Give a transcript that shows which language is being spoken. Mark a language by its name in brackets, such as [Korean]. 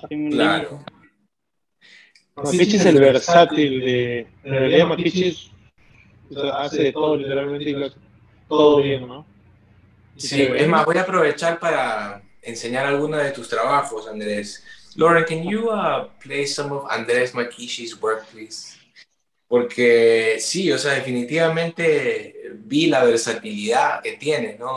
[Spanish] Claro. Mapiche es el versátil de. En realidad, Mapiche hace de todo, literalmente, todo bien, ¿no? Sí, es más, voy a aprovechar para enseñar alguno de tus trabajos, Andrés. [English] Lauren, can you play some of Andrés Mapiche's work, please? [Spanish] Porque sí, o sea, definitivamente vi la versatilidad que tienes, ¿no?